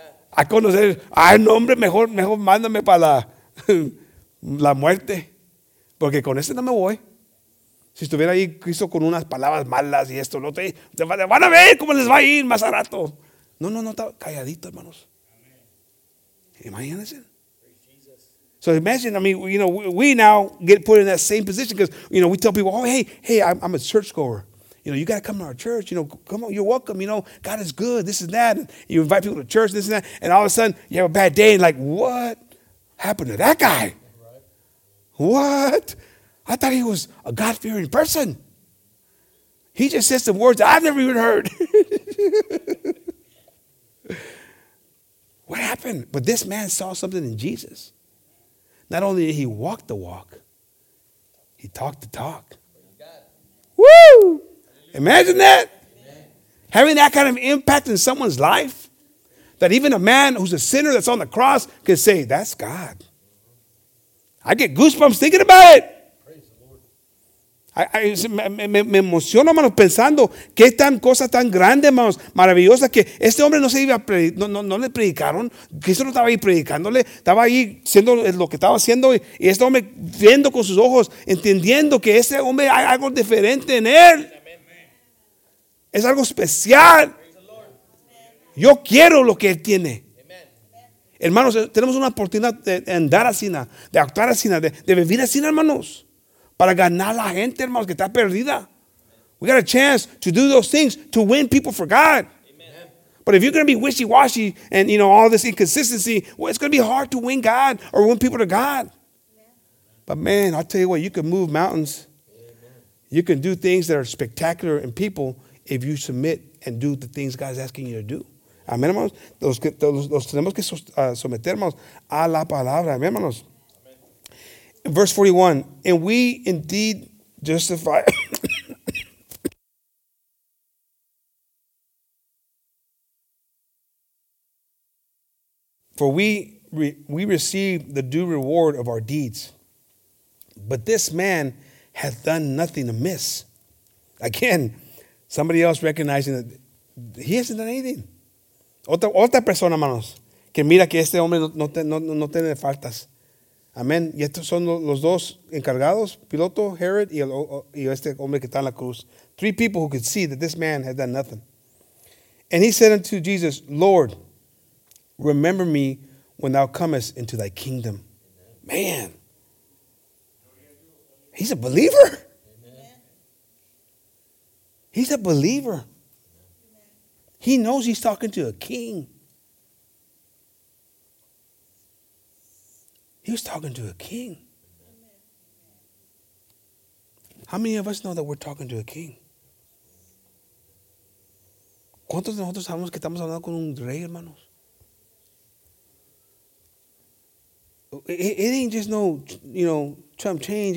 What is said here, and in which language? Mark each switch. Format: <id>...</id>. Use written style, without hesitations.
<es>A conocer, ay, no, hombre, mejor mándame para la muerte. Porque con este no me voy. Si estuviera ahí Cristo con unas palabras malas y esto, no te van a ver cómo les va a ir más a rato. No, está calladito, hermanos. Imagínense.</es> <en>So imagine, I mean, you know, we now get put in that same position because, you know, we tell people, oh, hey, I'm a church goer. You know, you got to come to our church. You know, come on, you're welcome. You know, God is good, this and that. And you invite people to church, this and that. And all of a sudden, you have a bad day. And like, what happened to that guy? What? I thought he was a God-fearing person. He just says some words I've never even heard. What happened? But this man saw something in Jesus. Not only did he walk the walk, he talked the talk. Woo! Imagine that. Having that kind of impact in someone's life, that even a man who's a sinner that's on the cross can say, that's God. I get goosebumps thinking about it.</en> <es>Me emociono, hermanos, pensando qué tan cosa tan grande, hermanos, maravillosa, que este hombre no se iba a no le predicaron, Cristo no estaba ahí predicándole, estaba ahí siendo lo que estaba haciendo, y este hombre viendo con sus ojos, entendiendo que ese hombre hay algo diferente en él. Es algo especial. Yo quiero lo que él tiene. Hermanos, tenemos una oportunidad de andar así, de actuar así, de vivir así, hermanos. Para ganar la gente, hermanos, que está perdida.</es> <en>We got a chance to do those things, to win people for God. Amen. But if you're going to be wishy-washy and, you know, all this inconsistency, well, it's going to be hard to win God or win people to God. Yeah. But, man, I'll tell you what, you can move mountains. Amen. You can do things that are spectacular in people if you submit and do the things God's asking you to do.</en> <es>Amen, hermanos. Los tenemos que someter, hermanos, a la palabra.</es> <en>Amen, hermanos. In verse 41, and we indeed justify. For we receive the due reward of our deeds. But this man hath done nothing amiss. Again, somebody else recognizing that he hasn't done anything.</en> <es>Otra persona, hermanos, que mira que este hombre no tiene faltas. Amén. Y estos son los dos encargados, piloto, Herod, y este hombre que está en la cruz.</es> <en>Three people who could see that this man had done nothing. And he said unto Jesus, Lord, remember me when thou comest into thy kingdom. Man. He's a believer. He's a believer. He knows he's talking to a king. He was talking to a king. How many of us know that we're talking to a king?</en> <es>¿Cuántos de nosotros sabemos que estamos hablando con un rey, hermanos?</es> <en>It ain't just no, you know, Trump change.</en>